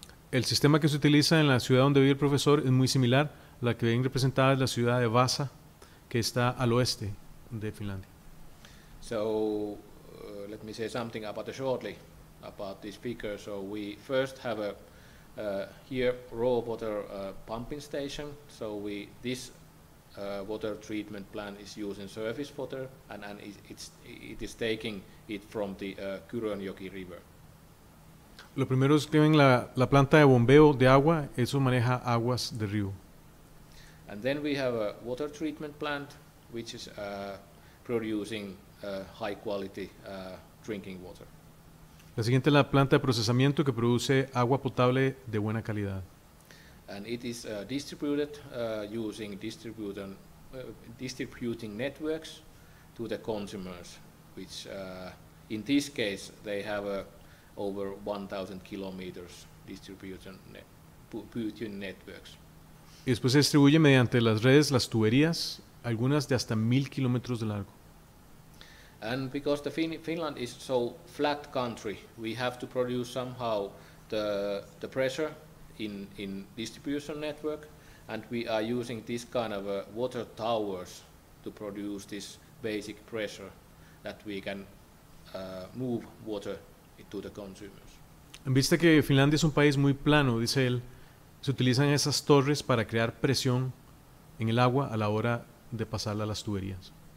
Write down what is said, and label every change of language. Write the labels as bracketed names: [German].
[Spanish] El sistema que se utiliza en la ciudad donde vive el profesor es muy similar a la que ven representada en la ciudad de Vaasa, que está al oeste de Finlandia. [English] So, let me say something shortly about this figure. So, we first have here raw water pumping station. So this water treatment plant is using surface water, and it is taking it from the Kyrönjoki River. [Spanish] Lo primero es que ven la planta de bombeo de agua, eso maneja aguas de río. [English] And then we have a water treatment plant, which is producing high quality drinking water. [Spanish] La siguiente es la planta de procesamiento que produce agua potable de buena calidad. [English] And it is distributed using distributing networks to the consumers, which in this case they have over 1,000 kilometers distribution networks. [Spanish] Y después se distribuye mediante las redes, las tuberías, algunas de hasta 1,000 kilómetros de largo. [English] And because the Finland is so flat country, we have to produce somehow the pressure in distribution network, and we are using this kind of water towers to produce this basic pressure that we can move water to the consumers. [Spanish] En vista que Finlandia es un país muy plano, dice él, se utilizan esas torres para crear presión en el agua a la hora de pasarla a las tuberías.